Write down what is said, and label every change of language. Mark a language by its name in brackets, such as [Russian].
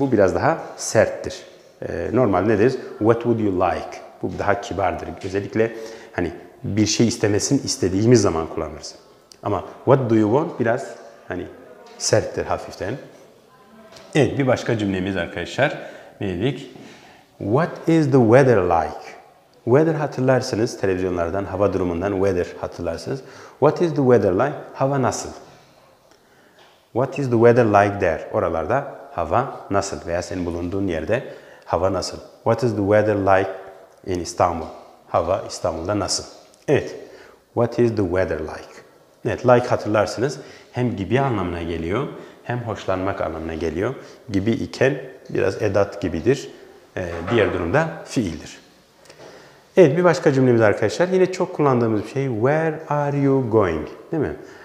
[Turkish] Bu biraz daha serttir. Normalde ne deriz? [English] What would you like? [Turkish] Bu daha kibardır. Özellikle hani bir şey istemesini istediğimiz zaman kullanırız. Ama [English] what do you want? [Turkish] Biraz hani serttir hafiften. Evet, bir başka cümlemiz arkadaşlar. Ne dedik? [English] What is the weather like? [Turkish] Weather hatırlarsınız televizyonlardan, hava durumundan weather hatırlarsınız. [English] What is the weather like? [Turkish] Hava nasıl? [English] What is the weather like there? [Turkish] Oralarda hava nasıl? Veya senin bulunduğun yerde hava nasıl? [English] What is the weather like in Istanbul? [Turkish] Hava İstanbul'da nasıl? Evet. [English] What is the weather like? [Turkish] Evet, like hatırlarsınız. Hem gibi anlamına geliyor. Hem hoşlanmak anlamına geliyor. Gibi iken biraz edat gibidir. Diğer durumda fiildir. Evet, bir başka cümlemiz arkadaşlar. Yine çok kullandığımız bir şey. [English] Where are you going? [Turkish] Değil mi?